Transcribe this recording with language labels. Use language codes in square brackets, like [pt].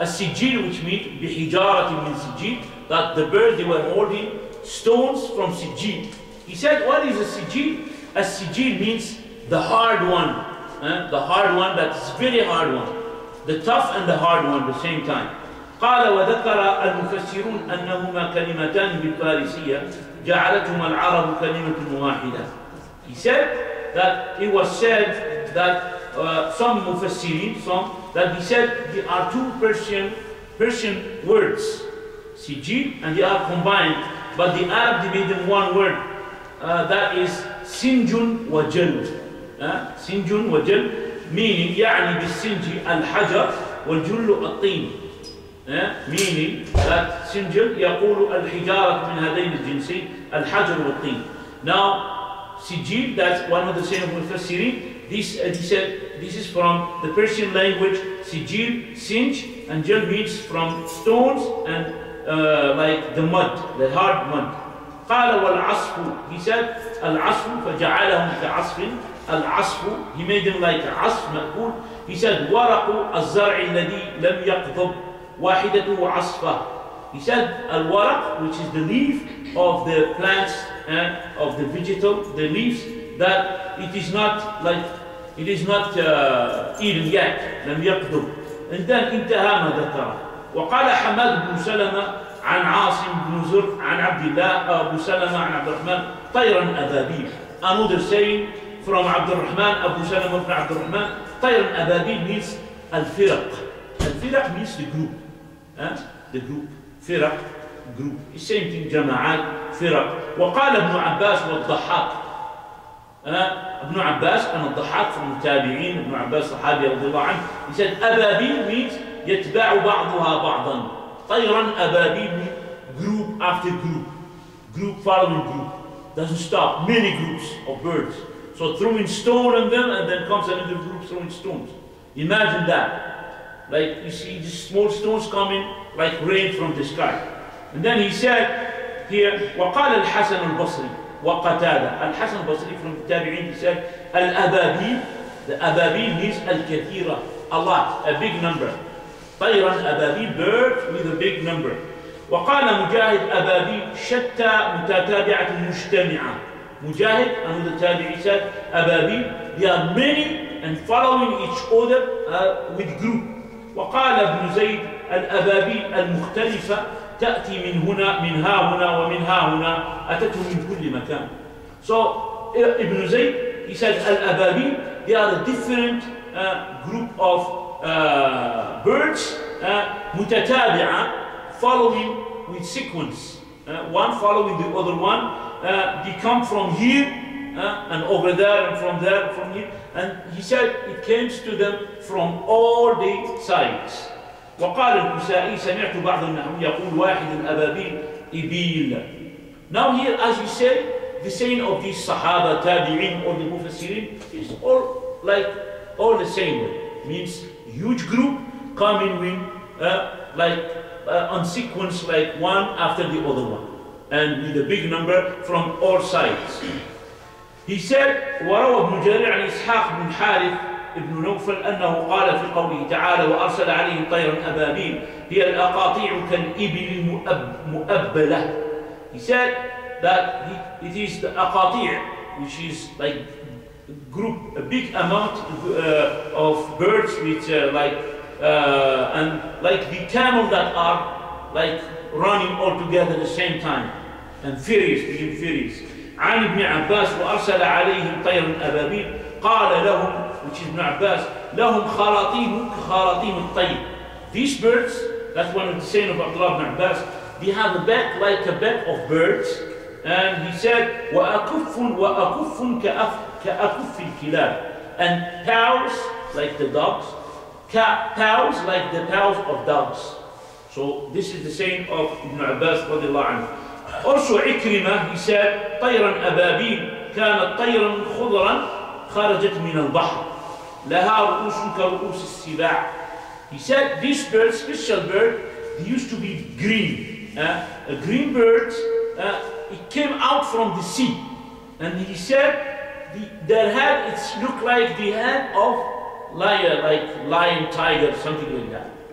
[en] السِّجِّيلُ, which means [ar] بِحِجَارَةٍ مِنْ سِجِّيلٍ, [en] that the bird, they were holding stones from Sijjil. He said, what is a Sijjil? A Sijjil means the hard one. The hard one, that's very hard one. The tough and the hard one at the same time. [ar] قال وذكر المفسرون أنهما كلمتان بالفارسية جعلتهما العرب كلمة واحدة. [en] He said that it was said that some مفسرين that he said they are two Persian words, سجين, and they are combined, but the Arab made them one word. That is سنجن وجلد. [ar] سنجن وجلد [en] meaning [ar] يعني بالسنج الحجر والجل الطين. [en] Meaning that [ar] سنجن يقول الحجارة من هذين الجنسين الحجر والطين. [en] Now سجين, that's one of the same مفسرين. This he said this is from the Persian language سجين, سنج, and جل means from stones and like the mud, the hard mud. [ar] قال والعصف, [en] he said [ar] العصف فجعلهم كعصف, العصف, [en] he made them like [ar] عصف مأكول. He said ورق الزرع الذي لم يقضب واحدته عصفة. [en] He said الورق, which is the leaf of the plants and of the vegetable, the leaves, that it is not like it is not eaten yet, [ar] لم يقضب. [en] And then [ar] انتهى ما ذكره. وقال حماد بن سلمة عن عاصم بن زرق عن عبد الله أبو سلمة عن عبد الرحمن طيرا أبابيل. Another saying from عبد الرحمن أبو سلمة بن عبد الرحمن, طيرا أبابيل means الفرق. [en] الفرق means the group. The group. فرق group. The same thing, [ar] جماعات فرق. وقال ابن عباس والضحاك. ابن عباس أنا الضحاك من التابعين, ابن عباس صحابي رضي الله عنه. [en] He said [ar] أبابيل [en] means [ar] يتبع بعضها بعضا. [en] طيراً أبابيل, group after group, group following group, doesn't stop, many groups of birds. So throwing stone on them and then comes another group throwing stones. Imagine that. Like you see just small stones coming like rain from the sky. And then he said here, وقال الحسن البصري وقتادة. الحسن البصري from the Tabi'in, he said, الأبابيل, the أبابيل means الكثيرة, a lot, a big number. طيرا أبابيل, bird with a big number. [ar] وقال مجاهد أبابيل شتى متتابعة مجتمعة. [en] مجاهد [ar] أنه التابعي [en] said أبابيل, they are many and following each other with group. [ar] وقال ابن زيد الأبابيل المختلفة تأتي من هنا من ها هنا ومن ها هنا, أتته من كل مكان. [en] So ابن زيد he said الأبابيل they are a different group of birds, متتابعة, following with sequence, one following the other one, they come from here and over there and from there and from here, and he said it came to them from all the sides. [ar] وقال الكسائي سمعت بعض النحوي يقول واحد الأبابيل إبيل. [en] Now here, as you say, the saying of these صحابة تابعين or the مفسرين is all like all the same way. Means huge group coming with on sequence like one after the other one and with a big number from all sides. He said [ar] وروى ابن جرير عن إسحاق بن حارث ابن نوفل أنه قال في قوله تعالى وأرسل عليهم طيرا أبابيل هي الأقاطيع كالإبل المؤبلة. [en] He said that it is the أقاطيع, which is like group, a big amount of birds which like and like the camel that are like running all together at the same time and furious, being furious. [ar] عن ابن عباس وأرسل عليهم طير أبابيل قال لهم, [en] which is [ar] ابن عباس, لهم خراطيم كخراطيم الطير. [en] These birds, that's one of the saying of Abdullah ibn Abbas, they have a back like a back of birds. And he said [ar] وأكف وأكف كأف كأكف الكلاب, [en] and paws like the dogs, paws like the paws of dogs. So this is the saying of Ibn Abbas رضي الله عنه. [ar] Also عكرمة, he said طيرا أبابيل كانت طيرا خضرا خرجت من البحر لها رؤوس كرؤوس السباع. [en] He said this bird, special bird, they used to be green, a green bird, it came out from the sea, and he said their head, it looked like the head of lion, like lion, tiger, something like that.